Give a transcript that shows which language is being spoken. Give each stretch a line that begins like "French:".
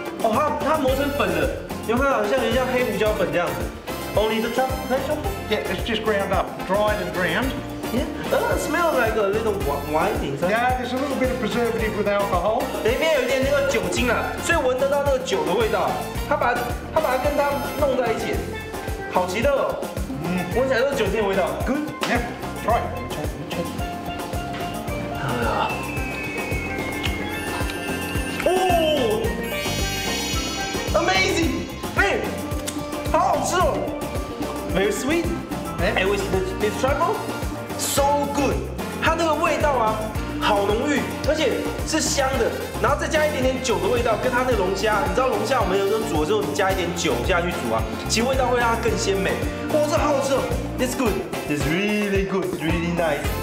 Chinese: Oh, it's 磨成粉的，因为它好像有点像黑胡椒粉这样子。
English: Only the truffle? Yeah, it's just ground up, dried and ground. Yeah. It smells like a little wine inside. Yeah, there's a little bit of preservative with alcohol.
Chinese: 里面有一点那个酒精啊，所以闻得到那个酒的味道。它把它跟它弄在一起，好奇特哦。嗯，闻起来都是酒精的味道。
English: Good. Yeah. Try. 你冲。 Oh. Amazing. 哎，好好吃哦。 Very sweet. And with this truffle.
Chinese: So good，它那个味道啊，好浓郁，而且是香的，然后再加一点点酒的味道，跟它那个龙虾，你知道龙虾我们有时候煮的时候，你加一点酒下去煮啊，其实味道会让它更鲜美。
English: 哇，这好好吃哦！This good， this really good， really nice。